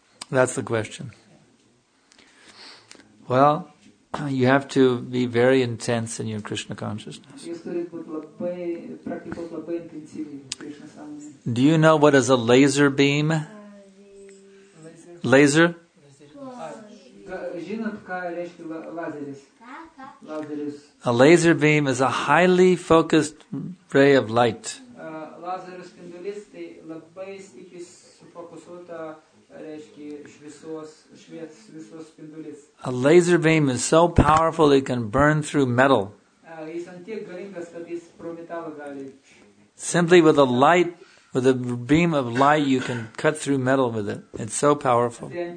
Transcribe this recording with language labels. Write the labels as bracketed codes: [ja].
[en] That's the question. Yeah. Well, you have to be very intense in your Krishna consciousness. Do you know what is a laser beam? Laser? Laser? [lt] žinot, ką reiškia lazeris? Lazeris. [en] A laser beam is a highly focused ray of light. [lt] Lazerio spindulys tai labai stipriai sufokusuota, reiškia, šviesos spindulys. [en] A laser beam is so powerful it can burn through metal. [lt] Jis ant tiek galingas, kad jis pro metalą gali. [en] Simply with a light, with a beam of light, you can cut through metal with it. It's so powerful.